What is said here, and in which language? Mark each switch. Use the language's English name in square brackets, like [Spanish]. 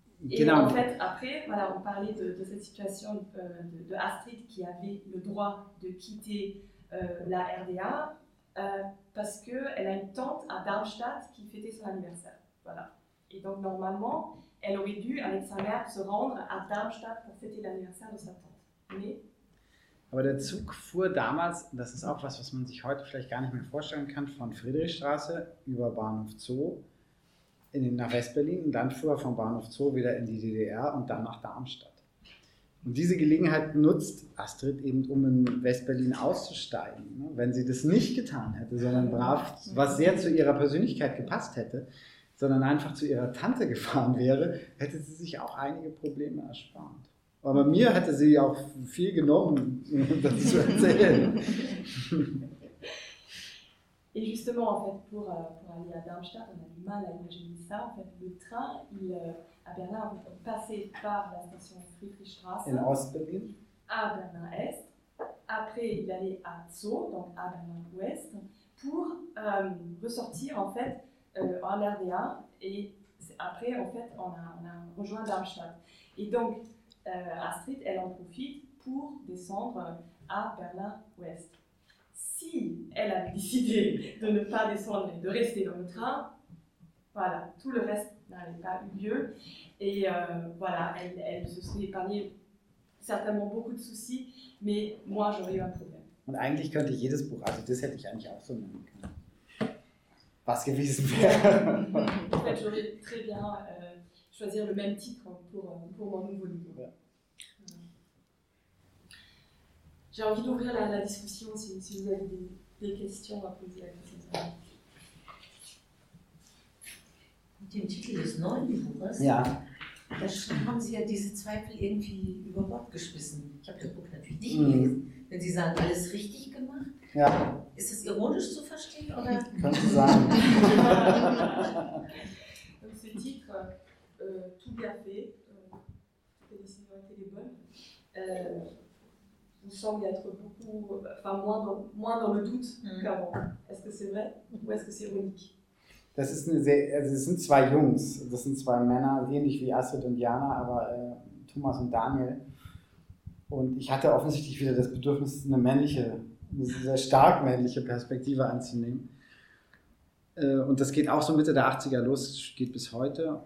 [French] Et en fait, après, voilà, on parlait de cette situation de Astrid qui avait le droit de quitter la RDA parce qu'elle a une tante à Darmstadt qui fêtait son anniversaire. Voilà. Et donc, normalement, elle aurait dû, avec sa mère, se rendre à Darmstadt pour fêter l'anniversaire de sa tante. [German] Aber der Zug fuhr damals, das ist auch was man sich heute vielleicht gar nicht mehr vorstellen kann, von Friedrichstraße über Bahnhof Zoo nach West-Berlin und dann fuhr er vom Bahnhof Zoo wieder in die DDR und dann nach Darmstadt. Und diese Gelegenheit nutzt Astrid eben, um in West-Berlin auszusteigen. Wenn sie das nicht getan hätte, sondern brav, was sehr zu ihrer Persönlichkeit gepasst hätte, sondern einfach zu ihrer Tante gefahren wäre, hätte sie sich auch einige Probleme erspart. Aber mir hätte sie auch viel genommen, das zu erzählen. [French] Et justement, en fait, pour aller à Darmstadt, on a du mal à imaginer ça. En fait, le train, il, à Berlin, passait par la station Friedrichstraße. [German] In Ost-Berlin. [French] À Berlin-Est. Après, il allait à Zoo, donc à Berlin-Ouest, pour ressortir, en fait, en RDA. Et après, en fait, on a rejoint Darmstadt. Et donc, Astrid, elle en profite pour descendre à Berlin-Ouest. Si elle a décidé de ne pas descendre et de rester dans le train, voilà, tout le reste n'avait pas eu lieu. Et voilà, elle se serait épargné certainement beaucoup de soucis, mais moi j'aurais eu un problème. [German] Und eigentlich könnte jedes Buch, also das hätte ich eigentlich auch so nennen können, was gewesen wäre. [French] En fait, j'aurais très bien choisir le même titre pour mon nouveau livre. Ja. J'ai envie d'ouvrir la discussion si vous avez des questions à poser à vous. [German] Mit dem Titel des neuen Buches, ja. Da haben Sie ja diese Zweifel irgendwie über Bord geschmissen. Ich habe das Buch natürlich nicht gelesen. Wenn Sie sagen, alles richtig gemacht, ja. Ist das ironisch zu verstehen? Oder? Kannst du sagen. [French] Donc ce titre, tout bien fait, que les signes ont été les bonnes. Vous semble être beaucoup, enfin moins dans le doute qu'avant. Est-ce que c'est vrai ou est-ce que c'est ironique? [German] Das ist eine sehr, also es sind zwei Jungs, das sind zwei Männer, ähnlich wie Astrid und Jana, aber Thomas und Daniel. Und ich hatte offensichtlich wieder das Bedürfnis, eine männliche, eine sehr stark männliche Perspektive anzunehmen. Und das geht auch so Mitte der 80er los, geht bis heute.